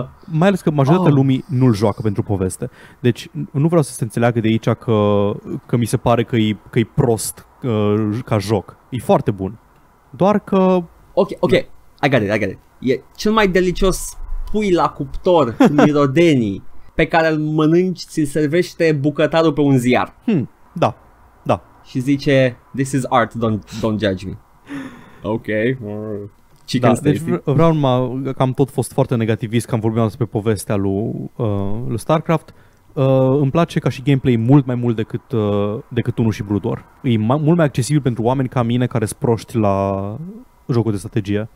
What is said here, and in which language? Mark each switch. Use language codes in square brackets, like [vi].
[ro] mai ales că majoritatea lumii nu-l joacă pentru poveste. Deci nu vreau să se înțeleagă de aici că mi se pare că-i prost ca joc. E foarte bun. Doar că... [en] Ok, I got it. [ro] E cel mai delicios pui la cuptor cu mirodenii pe care îl mănânci, ți-l servește bucătarul pe un ziar. Da, da. [en] Și zice, this is art, don't judge me. Ok. [ro] Da, deci vreau numai, că am tot fost foarte negativist, că am vorbit despre povestea lui StarCraft. Îmi place ca și gameplay mult mai mult decât unul și Brood War. E mult mai accesibil pentru oameni ca mine care sunt proști la jocul de strategie.